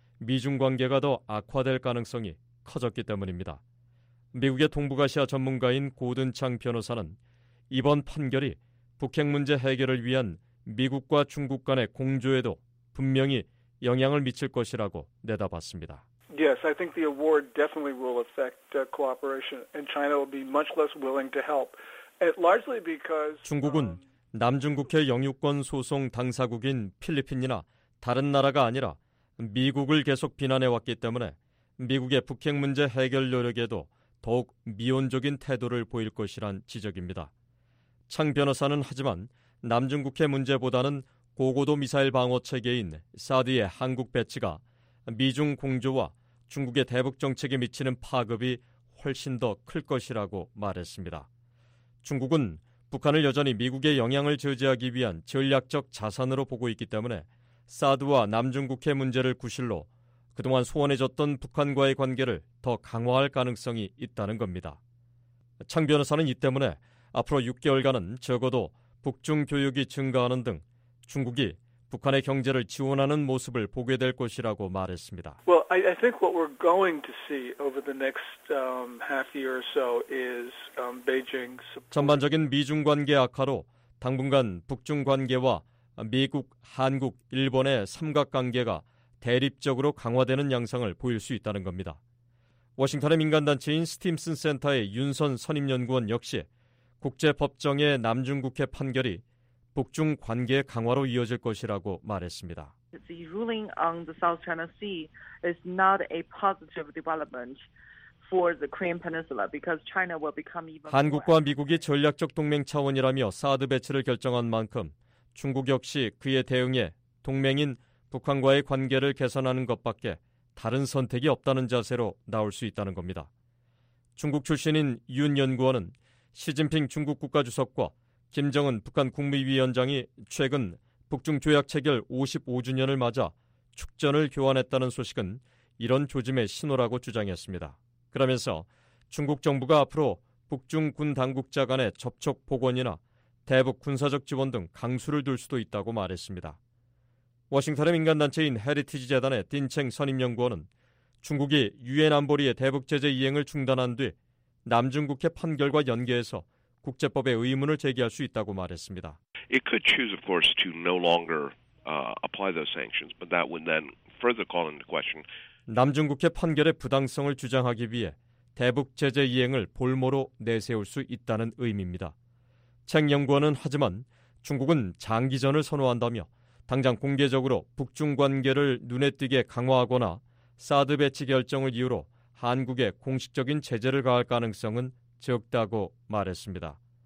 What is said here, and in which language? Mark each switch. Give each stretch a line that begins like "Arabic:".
Korean: 미중 관계가 더 악화될 가능성이 커졌기 때문입니다. 미국의 동북아시아 전문가인 고든 창 변호사는 이번 판결이 북핵 문제 해결을 위한 미국과 중국 간의 공조에도 분명히 영향을 미칠 것이라고 내다봤습니다.
English: Yes, I think the award definitely will affect cooperation and China will be much less willing to help. Largely because
Korean: 중국은 남중국해 영유권 소송 당사국인 필리핀이나 다른 나라가 아니라 미국을 계속 비난해왔기 때문에 미국의 북핵 문제 해결 노력에도 더욱 미온적인 태도를 보일 것이란 지적입니다. 창 변호사는 하지만 남중국해 문제보다는 고고도 미사일 방어 체계인 사드의 한국 배치가 미중 공조와 중국의 대북 정책에 미치는 파급이 훨씬 더 클 것이라고 말했습니다. 중국은 북한을 여전히 미국의 영향을 저지하기 위한 전략적 자산으로 보고 있기 때문에 사드와 남중국해 문제를 구실로 그동안 소원해졌던 북한과의 관계를 더 강화할 가능성이 있다는 겁니다. 창 변호사는 이 때문에 앞으로 6개월간은 적어도 북중 교역이 증가하는 등 중국이 북한의 경제를 지원하는 모습을 보게 될 것이라고 말했습니다.
English: Well, I think what we're going to see over the next half year or so is Beijing.
Korean: 전반적인 미중 관계 악화로 당분간 북중 관계와 미국, 한국, 일본의 삼각관계가 대립적으로 강화되는 양상을 보일 수 있다는 겁니다. 워싱턴의 민간단체인 스팀슨 센터의 윤선 선임연구원 역시 국제법정의 남중국해 판결이 북중 관계 강화로 이어질 것이라고 말했습니다.
English: The ruling on the South China Sea is not a positive development for the Korean Peninsula because China will become even more.
Korean: 한국과 미국이 전략적 동맹 차원이라며 사드 배치를 결정한 만큼 중국 역시 그에 대응해 동맹인 북한과의 관계를 개선하는 것밖에 다른 선택이 없다는 자세로 나올 수 있다는 겁니다. 중국 출신인 윤 연구원은 시진핑 중국 국가주석과 김정은 북한 국무위원장이 최근 북중 조약 체결 55주년을 맞아 축전을 교환했다는 소식은 이런 조짐의 신호라고 주장했습니다. 그러면서 중국 정부가 앞으로 북중 군 당국자 간의 접촉 복원이나 대북 군사적 지원 등 강수를 둘 수도 있다고 말했습니다. 워싱턴의 민간단체인 헤리티지 재단의 딘챙 선임연구원은 중국이 유엔 안보리의 대북 제재 이행을 중단한 뒤 남중국해 판결과 연계해서 국제법의 의문을 제기할 수 있다고 말했습니다.
English: It could choose, of course, to no longer apply those sanctions, but that would then further call into question.
Korean: 남중국해 판결의 부당성을 주장하기 위해 대북 제재 이행을 볼모로 내세울 수 있다는 의미입니다. 챙 연구원은 하지만 중국은 장기전을 선호한다며 당장 공개적으로 북중 관계를 눈에 띄게 강화하거나 사드 배치 결정을 이유로 한국에 공식적인 제재를 가할 가능성은 적다고 말했습니다.